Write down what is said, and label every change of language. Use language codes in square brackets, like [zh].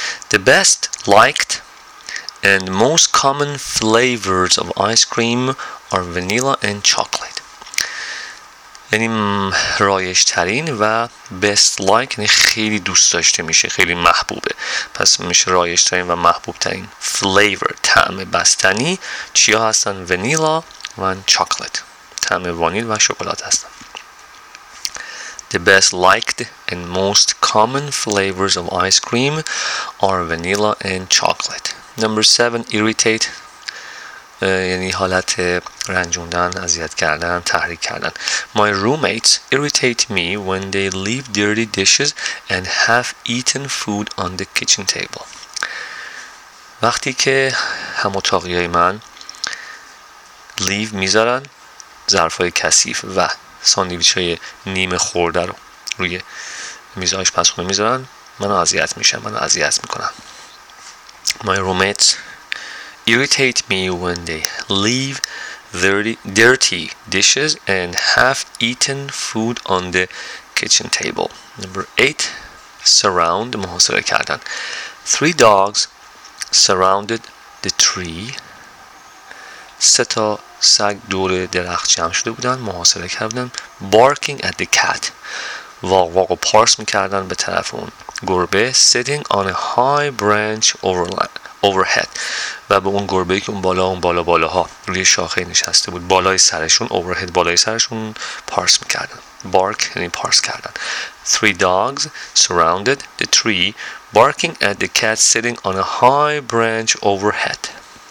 [en] The best liked and most common flavors of ice cream are vanilla and chocolate. [fa] یعنی رایج ترین و [en] best liked [fa] یعنی خیلی دوست داشته میشه، خیلی محبوبه. پس میشه رایج ترین و محبوب ترین flavor، طعم بستنی. چیا هستن؟ ونیلا و چاکلت، طعم وانیل و شکلات هستن. [en] The best liked and most common flavors of ice cream are vanilla and chocolate. Number 7, irritate. [fa] یعنی حالت رنجوندن، اذیت کردن، تحریک کردن. [en] My roommates irritate me when they leave dirty dishes and half-eaten food on the kitchen table. [fa] وقتی که هم‌اتاقی‌های من leave میذارن ظرف‌های کثیف و ساندویچ‌های نیمه خورده رو روی میز آشپزخونه میذارن، منو اذیت میشن، منو اذیت میکنن. [en] My roommates irritate me when they leave dirty dishes and half-eaten food on the kitchen table. Number 8, surround, [fa] محاصره کردن. [en] Three dogs surrounded the tree. [fa] سه تا سگ دور درخت جمع شده بودن، محاصره کردن، [en] barking at the cat، [fa] واق واق و پارس میکردن به طرف اون گربه، [en] sitting on a high branch overhead، [fa] و به اون گربه که اون بالاها روی شاخه نشسته بود، بالای سرشون، overhead بالای سرشون، پارس میکردن، bark یعنی پارس کردن. [en] Three dogs surrounded the tree, barking at the cat sitting on a high branch overhead.